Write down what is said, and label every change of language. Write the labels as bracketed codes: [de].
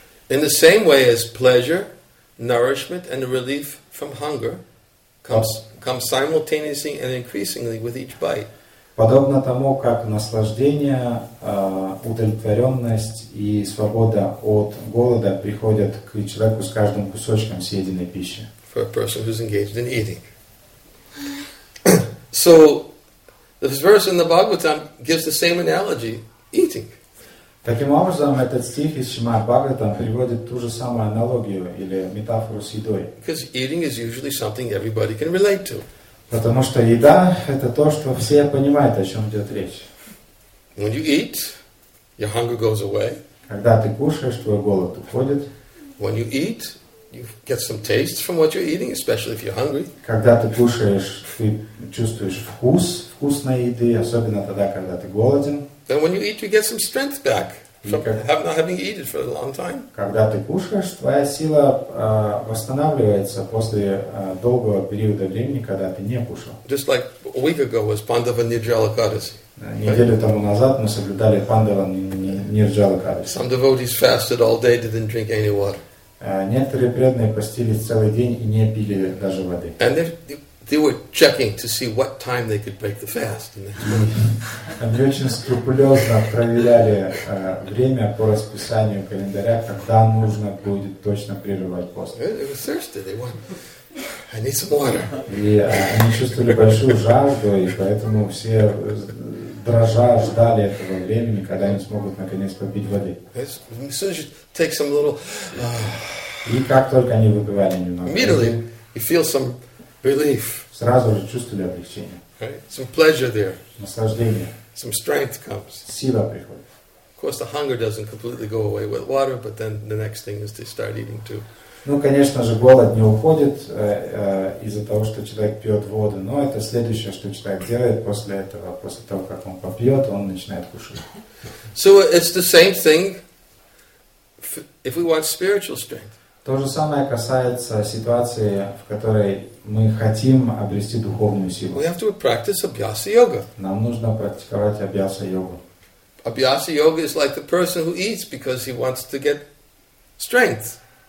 [en] In the same way as pleasure, nourishment and relief from hunger comes simultaneously and increasingly with each bite. [ru] Подобно тому, как наслаждение, удовлетворенность и свобода от голода приходят к человеку с каждым кусочком съеденной пищи. [en] For a person who's engaged in eating. So, this verse in the Bhagavatam gives the same analogy, eating. [ru] Таким образом, этот стих из Шримад Бхагаватам приводит ту же самую аналогию или метафору с едой. [en] Because eating is usually something everybody can relate to. [ru] Потому что еда – это то, что все понимают, о чем идет речь. [en] When you eat, your hunger goes away. [ru] Когда ты кушаешь, твой голод уходит. [en] When you eat, you get some taste from what you're eating, especially if you're hungry. [ru] Когда ты кушаешь, ты чувствуешь вкус вкусной еды, особенно тогда, когда ты голоден. [en] Then when you eat, you get some strength back from not having eaten for a long time. [ru] Когда ты кушаешь, твоя сила восстанавливается после долгого периода времени, когда ты не кушал. [en] Just like a week ago was Pandava Nirjala Ekadasi. [ru] Неделю тому назад мы соблюдали Пандава Нирджала Экадаси. [en] Some devotees fasted all day, didn't drink any water. [ru] Некоторые преданные постились целый день и не пили даже воды. [en] And they were checking to see what time they could break the fast. [ru] Они очень скрупулезно проверяли время по расписанию календаря, когда нужно будет точно прерывать пост. [en] They were thirsty. They wanted. I need some water. [ru] И они чувствовали большую жажду, и поэтому все дрожа ждали этого времени, когда они смогут наконец попить воды. [en] Take some little. [ru] И как только они выпивали немного. [en] Immediately, you feel some relief. [ru] Сразу же чувствовали облегчение. [en] Right? Some pleasure there. [ru] Наслаждение. [en] Some strength comes. [ru] Сила приходит. [en] Of course, the hunger doesn't completely go away with water, but then the next thing is to start eating too. [ru] Ну, конечно же, голод не уходит из-за того, что человек пьет воду, но это следующее, что человек делает после этого, после того, как он попьет, он начинает кушать. [en] So it's the same thing. If we want spiritual strength. [ru] То же самое касается ситуации, в которой мы хотим обрести духовную силу. [en] We have to practice abhyasa yoga. [ru] Нам нужно практиковать абьяса йогу. [en] Abhyasa yoga is like the person who eats because he wants to get strength.